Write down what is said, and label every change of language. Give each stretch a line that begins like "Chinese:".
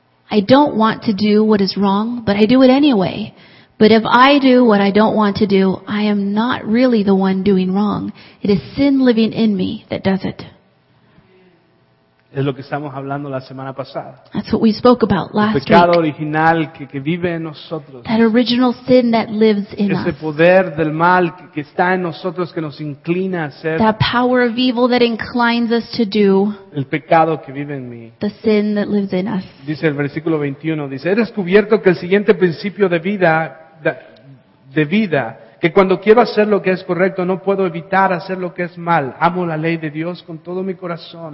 English: I don't want to do what is wrong, but I do it anyway. But if I do what I don't want to do, I am not really the one doing wrong. It is sin living in me that does it.
Spanish: Es lo que estamos hablando la semana pasada.
English: That's what we spoke about last week.
Spanish: El pecado original que vive en nosotros.
English: That original sin that lives in us.
Spanish: Ese poder del mal que está en nosotros que nos inclina a hacer.
English: That power of evil that inclines us to do.
Spanish: El pecado que vive en mí.
English: The sin that lives in us.
Spanish: Dice el versículo 21, dice, he descubierto que el siguiente principio de vida, que cuando quiero hacer lo que es correcto, no puedo evitar hacer lo que es mal. Amo la ley de Dios con todo mi corazón.